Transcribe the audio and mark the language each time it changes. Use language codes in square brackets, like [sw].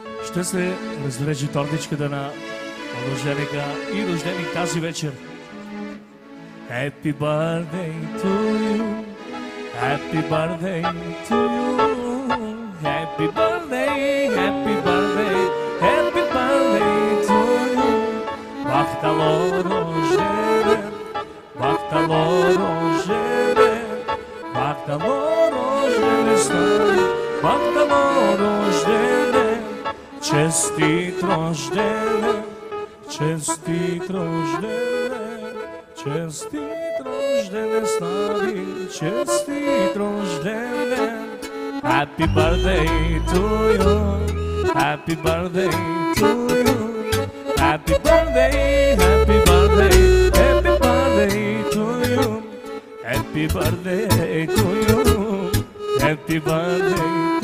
[bg] Ще се разрежи тортичката на рожденика и рожденик тази вечер. [en] Happy birthday to you, happy birthday to you, happy birthday, happy birthday, happy birthday to you. [rom] Бахтало рожене, бахтало рожене, бахтало рожене стари, бахтало рожене. [bg] Честит рождене, честит рождене, честит рождене, стари, честит рождене. [en] Happy birthday to you, happy birthday to you, happy birthday, happy birthday, happy birthday to you, happy birthday to you, happy birthday to you.